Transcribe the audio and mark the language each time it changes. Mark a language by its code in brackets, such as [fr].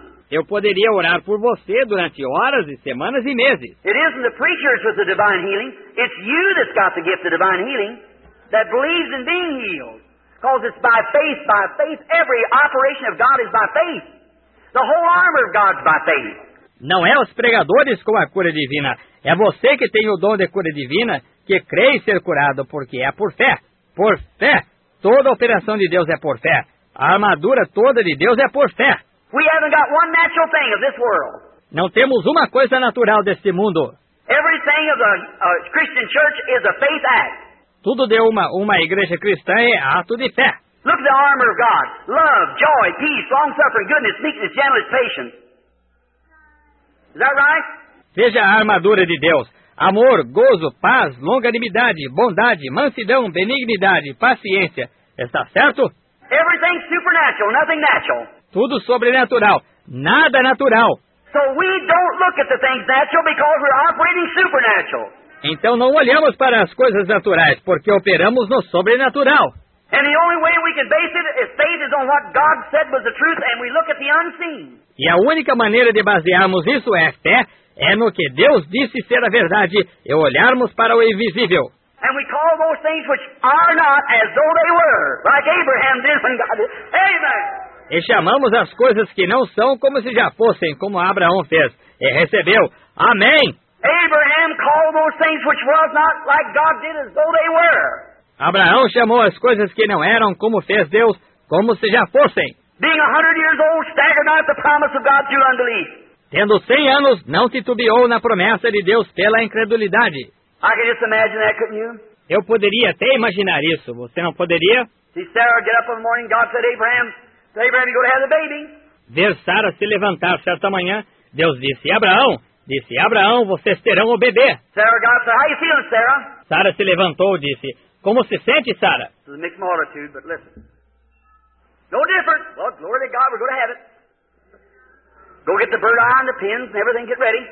[pt] Eu poderia orar por você durante horas e semanas e meses. [en] It isn't the preachers with the divine healing. It's you that's got the gift of divine healing that believes in being healed. Because it's by faith, every operation of God is by faith. The whole armor of God is by faith. [pt] Não é os pregadores com a cura divina. É você que tem o dom de cura divina que crê em ser curado, porque é por fé. Por fé. Toda operação de Deus é por fé. A armadura toda de Deus é por fé. [en] We haven't got one natural thing of this world. [pt] Não temos uma coisa natural deste mundo. [en] Everything of the Christian church is a faith act. [pt] Tudo de uma igreja cristã é ato de fé. [en] Look at the armor of God. Love, joy, peace, long-suffering, goodness, meekness, gentleness, patience. Is that right? [pt] Veja a armadura de Deus. Amor, gozo, paz, longanimidade, bondade, mansidão, benignidade, paciência. Está certo? [en] Everything supernatural, nothing natural. [pt] Tudo sobrenatural, nada natural. [en] So we don't look at the things natural because we're operating supernatural. [pt] Então não olhamos para as coisas naturais porque operamos no sobrenatural. [en] And the only way we can base it is faith is on what God said was the truth and we look at the unseen. [pt] E a única maneira de basearmos isso é fé. É no que Deus disse ser a verdade e olharmos para o invisível. [en] And we call those things which are not as though they were, like Abraham did when God did. Amen. [pt] E chamamos as coisas que não são como se já fossem, como Abraão fez e recebeu. Amém. [en] Abraham called those things which was not like God did as though they were. [pt] Abraão chamou as coisas que não eram como fez Deus, como se já fossem. [en] Being 100 years old, staggered not the promise of God through unbelief. [pt] Tendo 100 anos, não titubeou na promessa de Deus pela incredulidade. [en] I can just imagine that, couldn't you? [pt] Eu poderia até imaginar isso. Você não poderia? [en] See Sarah get up in the morning, God said, Abraham, to Abraham, you're going to have the baby. [pt] Ver Sarah se levantar certa manhã, Deus disse, Abraão, vocês terão o bebê. [en] Sarah, God said, how you feeling, Sarah? [pt] Sarah se levantou e disse, como se sente, Sarah? [en] It's a mixed multitude, but listen. No difference. Well, glory to God, we're going to have it. Go get the bird eye and the pins and everything, get ready.